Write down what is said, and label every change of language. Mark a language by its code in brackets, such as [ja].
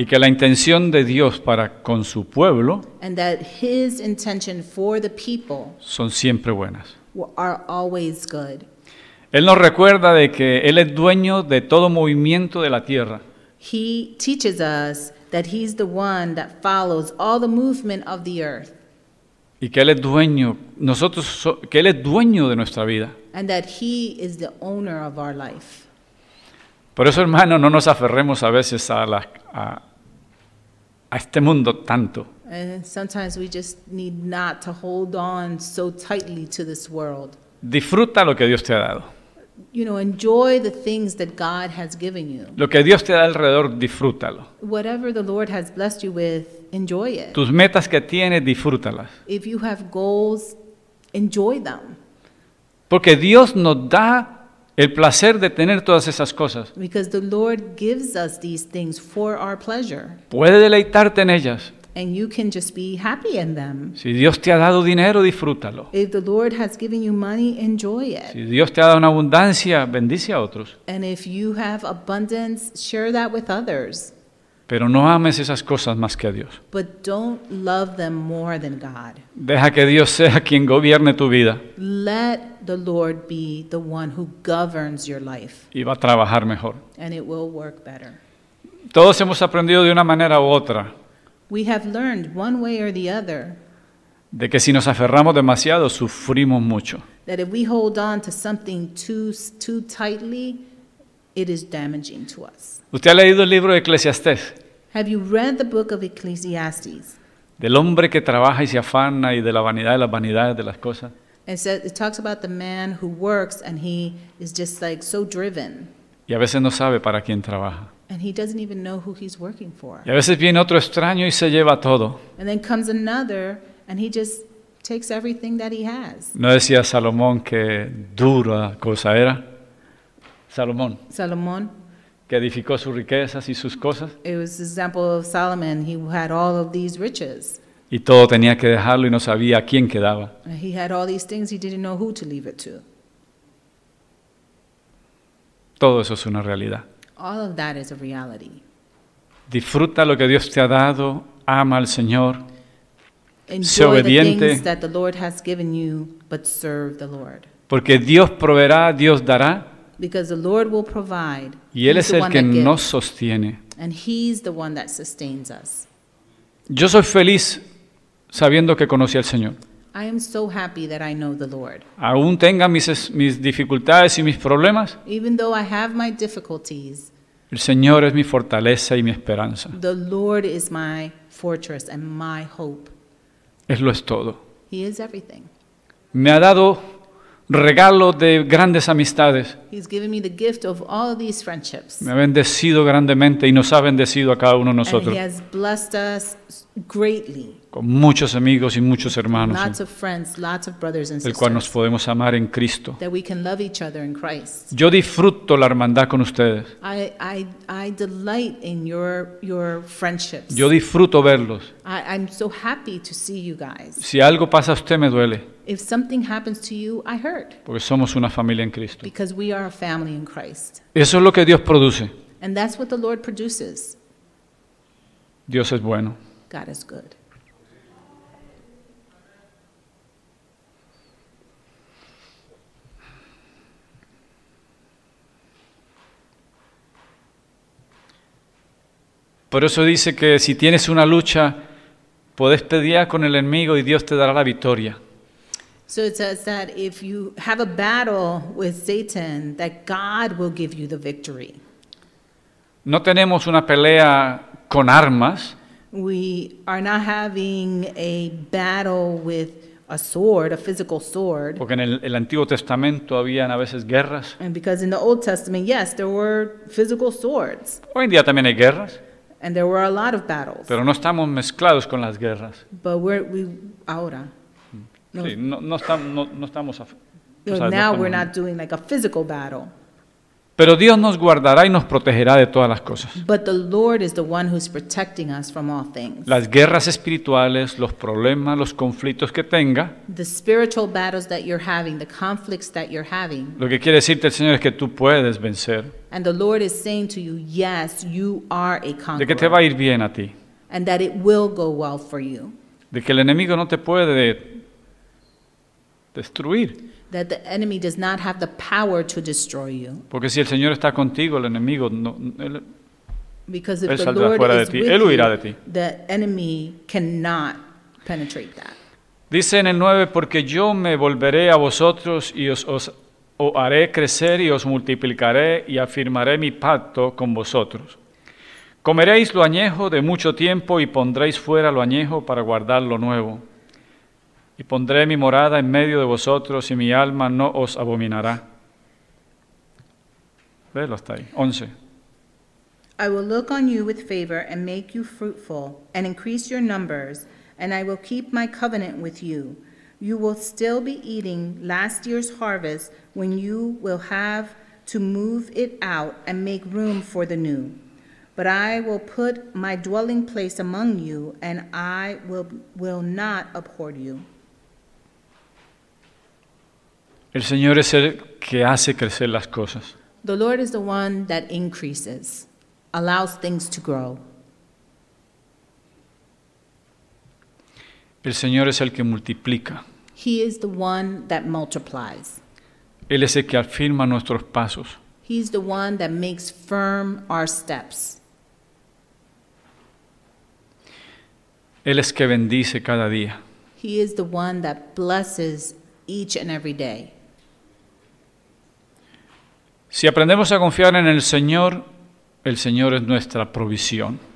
[es] Y que la intención de Dios para con su pueblo [en] and that his intention for the people [es] son siempre buenas. [en] Are always good. [es] Él nos recuerda de que Él es dueño de todo movimiento de la tierra. [en] He teaches us that he's the one that follows all the movement of the earth. [es] Y que Él es dueño, que Él es dueño de nuestra vida. [en] And that he is the owner of our life. [es] Por eso, hermano, no nos aferremos a veces a este mundo tanto. [en] And sometimes we just need not to hold on so tightly to this world. [es] Disfruta lo que Dios te ha dado. [en] You know, enjoy the things that God has given you. [es] Lo que Dios te da alrededor, disfrútalo. [en] Whatever the Lord has blessed you with, enjoy it. [es] Tus metas que tienes, disfrútalas. [en] If you have goals, enjoy them. [es] Porque Dios nos da el placer de tener todas esas cosas. [en] Because the Lord gives us these things for our pleasure. [es] Puede deleitarte en ellas. [en] And you can just be happy in them. [es] Si Dios te ha dado dinero, disfrútalo. [en] If the Lord has given you money, enjoy it. [es] Si Dios te ha dado una abundancia, bendice a otros. [en] And if you have abundance, share that with others. [es] Pero no ames esas cosas más que a Dios. [en] But don't love them more than God. [es] Deja que Dios sea quien gobierne tu vida. [en] Let the Lord be the one who governs your life. [es] Y va a trabajar mejor. [en] And it will work better. [es] Todos hemos aprendido de una manera u otra. [en] We have learned one way or the other. [es] De que si nos aferramos demasiado, sufrimos mucho. [en] That if we hold on to something too tightly, it is damaging to us. [es] ¿Usted ha leído el libro de Eclesiastés? [en] Have you read the book of Ecclesiastes? [es] Del hombre que trabaja y se afana y de la vanidad de las vanidades de las cosas. [en] It talks about the man who works and he is just like so driven. [es] Y a veces no sabe para quién trabaja. [en] And he doesn't even know who he's working for. [es] Y a veces viene otro extraño y se lleva todo. [en] And then comes another and he just takes everything that he has. [es] No decía Salomón que dura cosa era. Salomón. Que edificó sus riquezas y sus cosas. [en] It was the example of Solomon. He had all of these riches. [es] Y todo tenía que dejarlo y no sabía a quién quedaba. [en] He had all these things. He didn't know who to leave it to. [es] Todo eso es una realidad. [en] All of that is a reality. [es] Disfruta lo que Dios te ha dado. Ama al Señor. [en] Enjoy the things that the Lord has given you, but serve the Lord. [es] Porque Dios proveerá, Dios dará. [en] Because the Lord will provide. [es] Y Él es el que nos sostiene. [en] And He's the one that sustains us. [es] Yo soy feliz sabiendo que conocí al Señor. [en] I am so happy that I know the Lord. [es] Aún tenga mis dificultades y mis problemas. [en] Even though I have my difficulties. [es] El Señor es mi fortaleza y mi esperanza. [en] The Lord is my fortress and my hope. [es] Él lo es todo. [en] He is everything. [es] Me ha dado regalo de grandes amistades. [en] He's given me the gift of all of these friendships. [es] Me ha bendecido grandemente y nos ha bendecido a cada uno de nosotros. [en] And he has blessed us greatly. [es] Con muchos amigos y muchos hermanos. [en] Lots of friends, lots of brothers and sisters. [es] El cual nos podemos amar en Cristo. [en] That we can love each other in Christ. [es] Yo disfruto la hermandad con ustedes. [en] I delight in your friendships. [es] Yo disfruto verlos. [en] I'm so happy to see you guys. [es] Si algo pasa a usted, me duele. [en] If something happens to you, I hurt. [es] Porque somos una familia en Cristo. [en] Because we are a family in Christ. [es] Eso es lo que Dios produce. [en] And that's what the Lord produces. [es] Dios es bueno. [en] God is good. [es] Por eso dice que si tienes una lucha, puedes pelear con el enemigo y Dios te dará la victoria. [en] So it says that if you have a battle with Satan, that God will give you the victory. [es] No tenemos una pelea con armas. [en] We are not having a battle with a sword, a physical sword. [es] Porque en el Antiguo Testamento habían a veces guerras. [en] And because in the Old Testament, yes, there were physical swords. [es] Hoy en día también hay guerras. [en] And there were a lot of battles. [es] Pero no estamos mezclados con las guerras. [en] But we [es] ahora. Sí, no estamos. [en] Now we're not doing like a physical battle. [es] Pero Dios nos guardará y nos protegerá de todas las cosas. [en] But the Lord is the one who's protecting us from all things. [es] Las guerras espirituales, los problemas, los conflictos que tenga. [en] The spiritual battles that you're having, the conflicts that you're having. [es] Lo que quiere decirte el Señor es que tú puedes vencer. [en] And the Lord is saying to you, yes, you are a conqueror. [es] De que te va a ir bien a ti. [en] And that it will go well for you. [es] De que el enemigo no te puede destruir. [en] That the enemy does not have the power to destroy you. [es] Porque si el Señor está contigo, el enemigo no, [en] because if [es] él [en] the Lord [es] fuera [en] is [es] de ti, [en] with [es] él huirá [en] you, [es] de ti. [en] The enemy cannot penetrate that. [es] Dice en el 9, porque yo me volveré a vosotros y os haré crecer y os multiplicaré y afirmaré mi pacto con vosotros. Comeréis lo añejo de mucho tiempo y pondréis fuera lo añejo para guardar lo nuevo. Y pondré mi morada en medio de vosotros y mi alma no os abominará. Velo hasta ahí. 11. [en] I will look on you with favor and make you fruitful and increase your numbers and I will keep my covenant with you. You will still be eating last year's harvest when you will have to move it out and make room for the new. But I will put my dwelling place among you and I will not abhor you. [es] El Señor es el que hace crecer las cosas. [en] The Lord is the one that increases, allows things to grow. [es] El Señor es el que multiplica. [en] He is the one that multiplies. [es] Él es el que afirma nuestros pasos. [en] He is the one that makes firm our steps. [es] Él es que bendice cada día. [en] He is the one that blesses each and every day. [es] Si aprendemos a confiar en el Señor es nuestra provisión.